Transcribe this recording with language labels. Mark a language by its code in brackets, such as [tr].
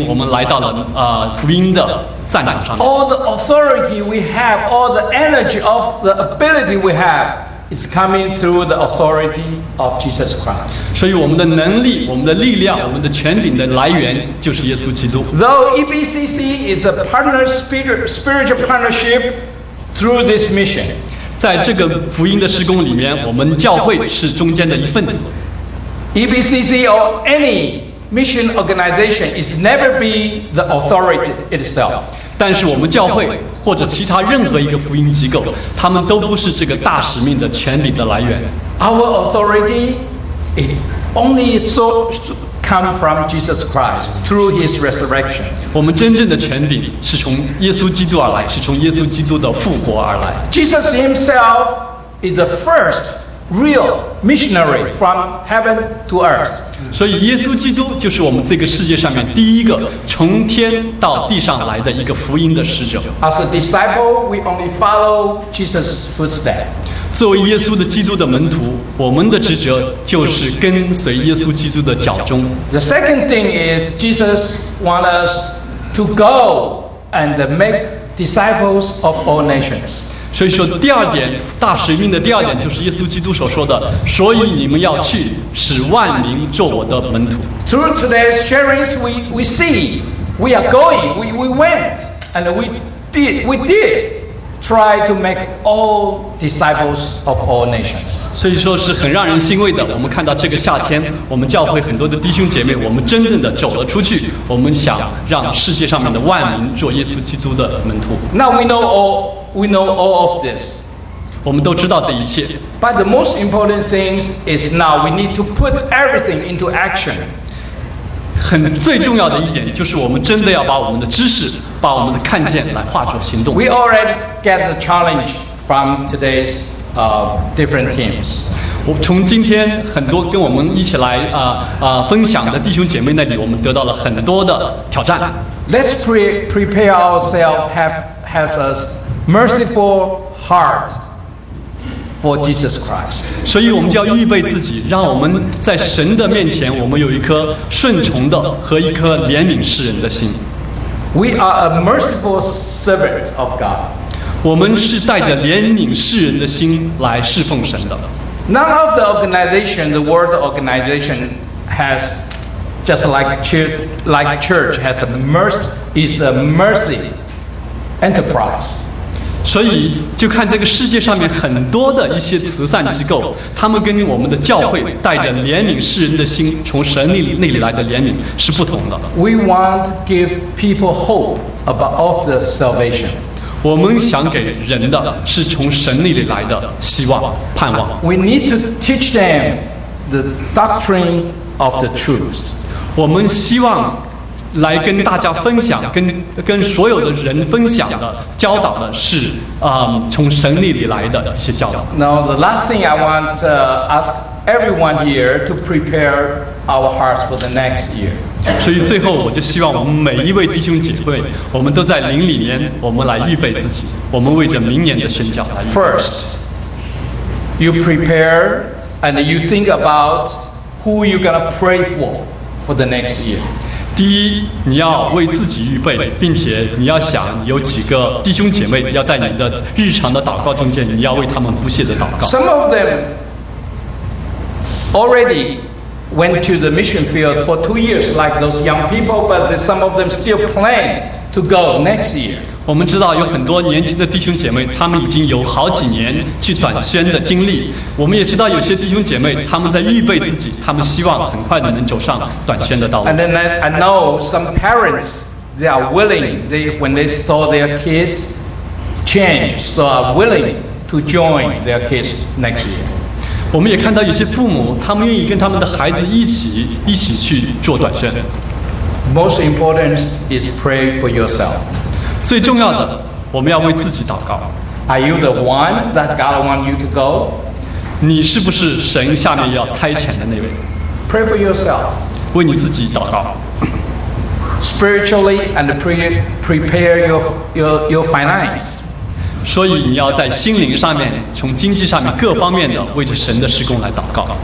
[zh] 所以，当我们抱着这样的信心，我们来到了福音的战场上。 [en] All the authority we have, all the energy of the ability we have. It's coming through the authority of Jesus Christ. [zh] 所以我们的能力、我们的力量、我们的权柄的来源就是耶稣基督。 [en] Though EBCC is a partner spiritual partnership through this mission, [zh] 在这个福音的施工里面，我们教会是中间的一份子。 [en] EBCC or any mission organization is never be the authority itself. [zh] 但是我们教会或者其他任何一个福音机构，他们都不是这个大使命的权柄的来源。 [en] Our authority is only so come from Jesus Christ through His resurrection. [zh] 我们真正的权柄是从耶稣基督而来，是从耶稣基督的复活而来。 [en] Jesus Himself is the first real missionary from heaven to earth. [zh] 所以耶稣基督就是我们这个世界上面第一个从天到地上来的一个福音的使者。 [en] As a disciple, we only follow Jesus' footsteps. [zh] 作为耶稣的基督的门徒，我们的职责就是跟随耶稣基督的脚踪。 [en] The second thing is Jesus wants us to go and make disciples of all nations. [zh] 所以说第二点，大使命的第二点就是耶稣基督所说的，所以你们要去使万民做我的门徒。 [en] Through today's sharings, we see we are going, we went, and we did. Try to make all disciples of all nations. [zh] 所以说是很让人欣慰的。我们看到这个夏天，我们教会很多的弟兄姐妹，我们真正的走了出去。我们想让世界上面的万民做耶稣基督的门徒。 [en] Now we know all of this. [zh] 我们都知道这一切。 [en] But the most important thing is now we need to put everything into action. [zh] 很最重要的一点就是我们真的要把我们的知识把我们的看见来化作行动。 [en] We already get the challenge from today's different teams. [zh] 我从今天很多跟我们一起来分享的弟兄姐妹那里，我们得到了很多的挑战。 [en] Let's prepare ourselves, have a merciful heart for Jesus Christ. [zh] 所以我们就要预备自己，让我们在神的面前，我们有一颗顺从的和一颗怜悯世人的心。 [en] We are a merciful servant of God. [zh] 我们是带着怜悯世人的心来侍奉神的。 [en] None of the organization, the world organization, has just like church has a mercy, is a mercy enterprise. [zh] 所以就看这个世界上面很多的一些慈善机构，他们跟我们的教会带着怜悯世人的心，从神那里来的怜悯是不同的。 [en] We want to give people hope about of the salvation. [zh] 我们想给人的是从神那里来的希望盼望。 [en] We need to teach them the doctrine of the truth. [zh] 我们希望来跟大家分享，跟所有的人分享的教导的是从神那里来的一些教导。 [en] Now the last thing I want to ask everyone here to prepare our hearts for the next year. [zh] 所以最后我就希望我们每一位弟兄姐妹，我们都在灵里面，我们来预备自己，我们为着明年的宣教来预备。 [en] First, you prepare and you think about who you're gonna pray for the next year. [zh] 第一，你要为自己预备，并且你要想有几个弟兄姐妹要在你的日常的祷告中间，你要为他们不懈的祷告。 [en] Some of them already went to the mission field for 2 years, like those young people, but some of them still plan to go next year. [zh] 我们知道有很多年轻的弟兄姐妹，他们已经有好几年去短宣的经历。我们也知道有些弟兄姐妹他们在预备自己，他们希望很快的能走上短宣的道路。 [en] And then I know some parents, they are willing, they when they saw their kids change, so are willing to join their kids next year. [zh] 我们也看到有些父母，他们愿意跟他们的孩子一起去做短宣。 [en] Most important is pray for yourself. [zh] 最重要的，我们要为自己祷告。 [en] Are you the one that God wants you to go? [zh] 你是不是神下面要差遣的那位？ [en] Pray for yourself. [zh] 为你自己祷告。 [en] Spiritually and prepare your finance. [zh] 所以你要在心灵上面，从经济上面各方面的为着神的事工来祷告。